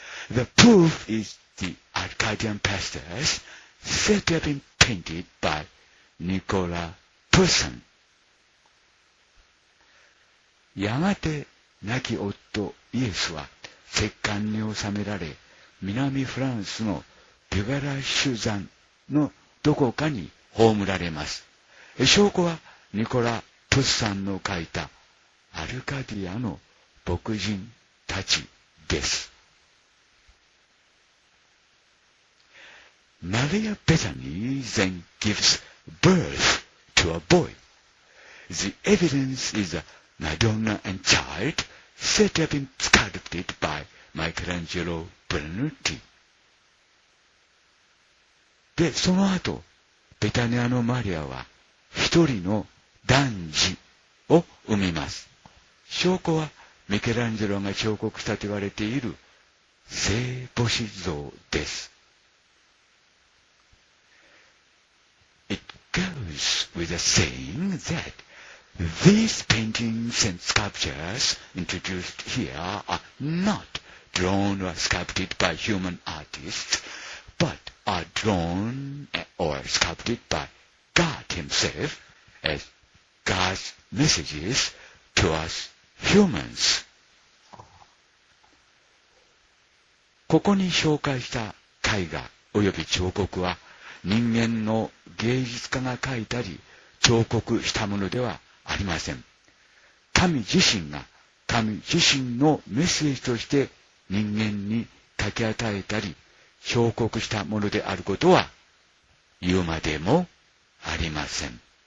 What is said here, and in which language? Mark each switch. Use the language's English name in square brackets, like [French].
[English] The proof is the Arcadian pastures said to have been painted by Nicolas Poussin. [Japanese] やがて亡き夫イエスは石棺に収められ、南フランスのビュガラッシュ山のどこかに葬られます。証拠はニコラ・プッサンの書いたアルカディアの牧人たちです。 [English] マリア・ベタニー then gives birth to a boy. The evidence is a Madonna and child said to have been sculpted by Michelangelo Brunetti. [Japanese] で、その後ベタニアのマリアは一人の男児を産みます。証拠はミケランジェロが彫刻したと言われている聖母子像です。 [English] It goes with a saying that these paintings and sculptures introduced here are not drawn or sculpted by human artists but are drawn or sculpted byGod himself as God's messages to us humans. [Japanese] ここに紹介した絵画および彫刻は人間の芸術家が描いたり彫刻したものではありません。神自身が神自身のメッセージとして人間に書き与えたり彫刻したものであることは言うまでもありません。